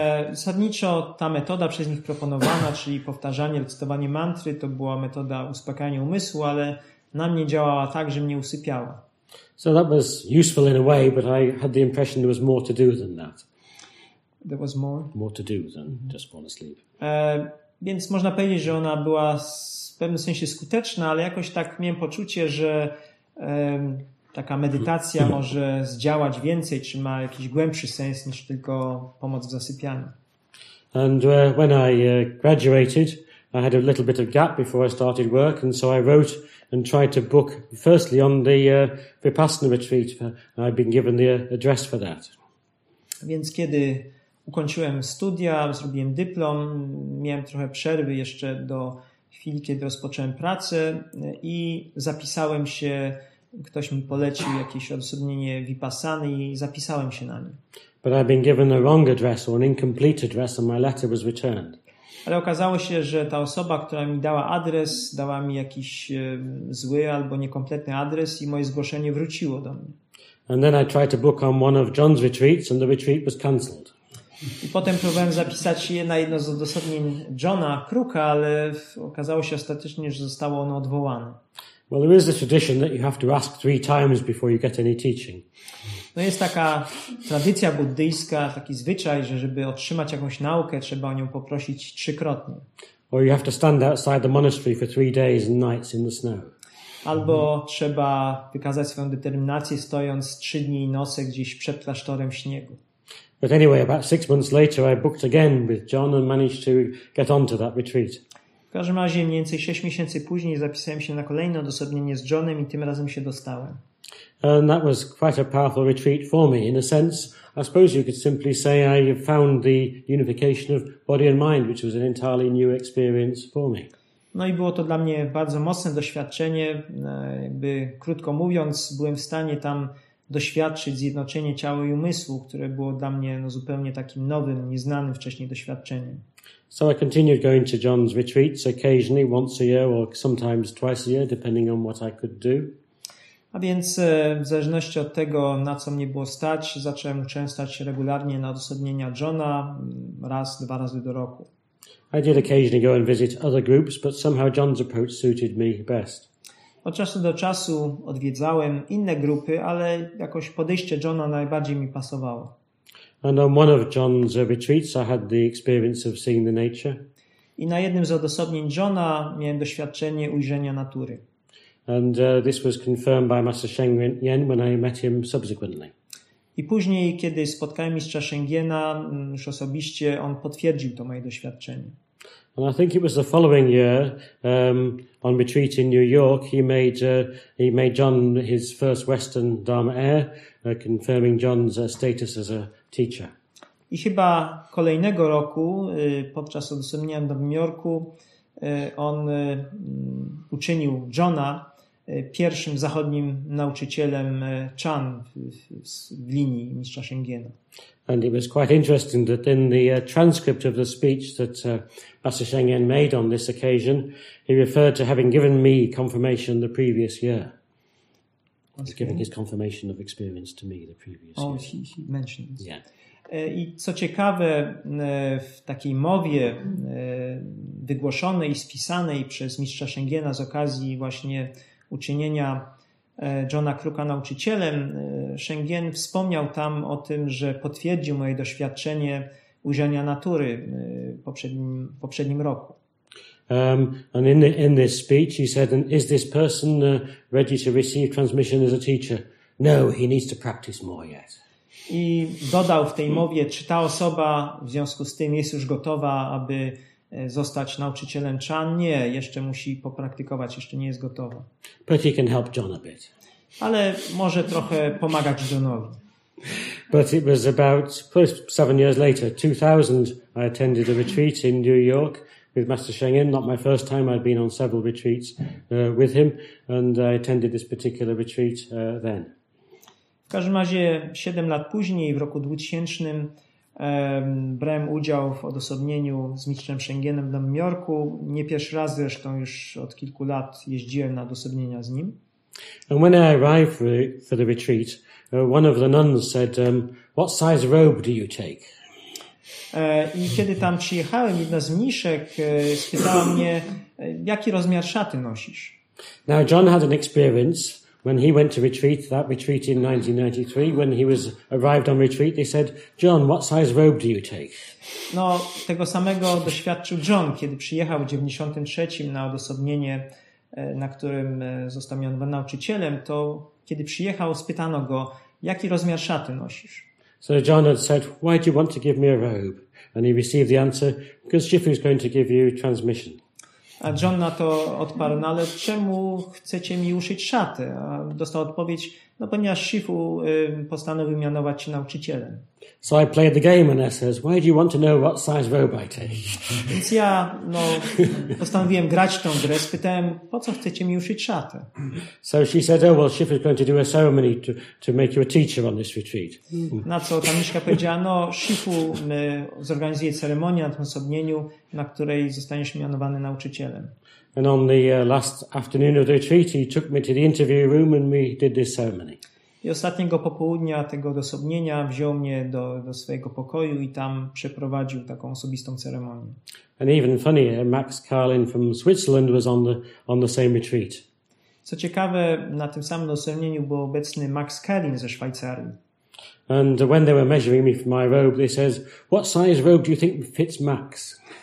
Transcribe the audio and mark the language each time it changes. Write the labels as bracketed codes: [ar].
[pl] Zasadniczo ta metoda przez nich proponowana, czyli powtarzanie, recytowanie mantry, to była metoda uspokajania umysłu, ale na mnie działała tak, że mnie usypiała. [en] So that was useful in a way, but I had the impression there was more to do than that. There was more. More to do than just fall asleep. [pl] Więc można powiedzieć, że ona była w pewnym sensie skuteczna, ale jakoś tak miałem poczucie, że taka medytacja może zdziałać więcej, czy ma jakiś głębszy sens niż tylko pomoc w zasypianiu. [en] And when I graduated, I had a little bit of gap before I started work, and so I wrote and tried to book firstly on the Vipassana retreat. I'd been given the address for that. [pl] Więc kiedy ukończyłem studia, zrobiłem dyplom, miałem trochę przerwy jeszcze do chwili, kiedy rozpocząłem pracę i zapisałem się, ktoś mi polecił jakieś odosobnienie Vipassany i zapisałem się na nie. [en] But I'd been given a wrong address or an incomplete address and my letter was returned. [pl] Ale okazało się, że ta osoba, która mi dała adres, dała mi jakiś zły albo niekompletny adres i moje zgłoszenie wróciło do mnie. [en] And then I tried to book on one of John's retreats and the retreat was cancelled. [pl] I potem próbowałem zapisać je na jedno z odosobnień Johna Kruka, ale okazało się ostatecznie, że zostało ono odwołane. [en] Well, there is this tradition that you have to ask three times before you get any teaching. [pl] No jest taka tradycja buddyjska, taki zwyczaj, że żeby otrzymać jakąś naukę, trzeba o nią poprosić trzykrotnie. [en] Or you have to stand outside the monastery for three days and nights in the snow. [pl] Albo trzeba wykazać swoją determinację stojąc trzy dni i noce gdzieś przed klasztorem śniegu. [en] But anyway, about 6 months later, I booked again with John and managed to get onto that retreat. [pl] W każdym razie mniej więcej 6 miesięcy później zapisałem się na kolejne odosobnienie z Johnem i tym razem się dostałem. [en] And that was quite a powerful retreat for me, in a sense. I suppose you could simply say I found the unification of body and mind, which was an entirely new experience for me. [pl] No i było to dla mnie bardzo mocne doświadczenie. Jakby krótko mówiąc, byłem w stanie tam doświadczyć zjednoczenie ciała i umysłu, które było dla mnie no, zupełnie takim nowym, nieznanym wcześniej doświadczeniem. [en] So I continued going to John's retreats occasionally, once a year or sometimes twice a year, depending on what I could do. [pl] A więc w zależności od tego, na co mnie było stać, zacząłem uczęszczać regularnie na odosobnienia Johna raz, dwa razy do roku. [en] I did occasionally go and visit other groups, but somehow John's approach suited me best. [pl] Od czasu do czasu odwiedzałem inne grupy, ale jakoś podejście Johna najbardziej mi pasowało. [en] And on one of John's retreats I had the experience of seeing the nature. [pl] I na jednym z odosobnień Johna miałem doświadczenie ujrzenia natury. [en] And this was confirmed by Master Sheng Yen when I met him subsequently. [pl] I później, kiedy spotkałem mistrza Shengyena już osobiście, on potwierdził to moje doświadczenie. [en] And I think it was the following year, on retreat in New York, he made John his first Western Dharma heir, confirming John's status as a teacher. [pl] I chyba kolejnego roku, podczas odosobnienia w Nowym Jorku, on uczynił Johna pierwszym zachodnim nauczycielem Chan w linii mistrza Shengyena. [en] And it was quite interesting that in the transcript of the speech that Master Sheng Yen made on this occasion, he referred to having given me confirmation the previous year. He's giving his confirmation of experience to me the previous year. Oh, he mentioned. Yeah. [pl] I co ciekawe, w takiej mowie wygłoszonej i spisanej przez mistrza Sheng Yena z okazji właśnie uczynienia Johna Kruka nauczycielem, Sheng Yen wspomniał tam o tym, że potwierdził moje doświadczenie ujrzenia natury w poprzednim roku. [en] And in this speech he said, is this person ready to receive transmission as a teacher? No, he needs to practice more yet. [pl] I dodał w tej mowie, czy ta osoba w związku z tym jest już gotowa, aby zostać nauczycielem Chan? Nie, jeszcze musi popraktykować, jeszcze nie jest gotowa. [en] But he can help John a bit. [pl] Ale może trochę pomagać Johnowi. [en] But it was about 7 years later, 2000, I attended a retreat in New York with Master Sheng Yen. Not my first time, I'd been on several retreats with him and I attended this particular retreat then. [pl] W każdym razie 7 lat później, w roku 2000, brałem udział w odosobnieniu z mistrzem Sheng Yenem w Nowym Jorku. Nie pierwszy raz zresztą, już od kilku lat jeździłem na odosobnienia z nim. [en] And when I arrived for the retreat, one of the nuns said, what size robe do you take? [pl] I kiedy tam przyjechałem, jedna z mniszek spytała mnie, jaki rozmiar szaty nosisz? [en] Now John had an experience When he went to retreat, that retreat in 1993, when he was arrived on retreat, they said, John, what size robe do you take? [pl] No, tego samego doświadczył John, kiedy przyjechał w 93 na odosobnienie, na którym został mianowany nauczycielem, to kiedy przyjechał, spytano go, jaki rozmiar szaty nosisz? [en] So John had said, why do you want to give me a robe? And he received the answer, because Jiffy is going to give you transmission. [pl] A John na to odparł, no ale czemu chcecie mi uszyć szatę? A dostał odpowiedź, no ponieważ Shifu postanowił mianować się nauczycielem. [en] So I played the game and I says, why do you want to know what size robe I take? [pl] Więc ja no, postanowiłem grać tą grę, spytałem, po co chcecie mi uszyć szatę? [en] So she said, oh well, Shifu is going to do a ceremony to make you a teacher on this retreat. [pl] Na co Tamiszka powiedziała, no Shifu zorganizuje ceremonię na tym osobnieniu, na której zostaniesz mianowany nauczycielem. [en] And on the last afternoon of the retreat, he took me to the interview room and we did this ceremony. [pl] I ostatniego popołudnia tego odosobnienia wziął mnie do swojego pokoju i tam przeprowadził taką osobistą ceremonię. [en] And even funnier, Max Carlin from Switzerland was on the same retreat. [pl] Co ciekawe, na tym samym odosobnieniu był obecny Max Carlin ze Szwajcarii. [en] And when they were measuring me for my robe, they says, what size robe do you think fits Max?